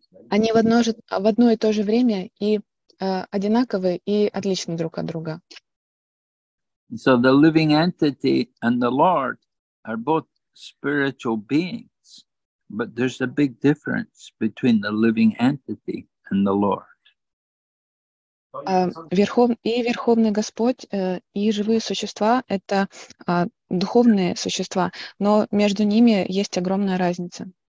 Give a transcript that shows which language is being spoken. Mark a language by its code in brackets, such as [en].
[ru] Они в одно и то же время и одинаковы, и отличны друг от друга. [en] So the living entity and the Lord are both spiritual beings, but there's a big difference between the living entity and the Lord. [ru] Верховный Господь и живые существа — это духовные существа, но между ними есть огромная разница.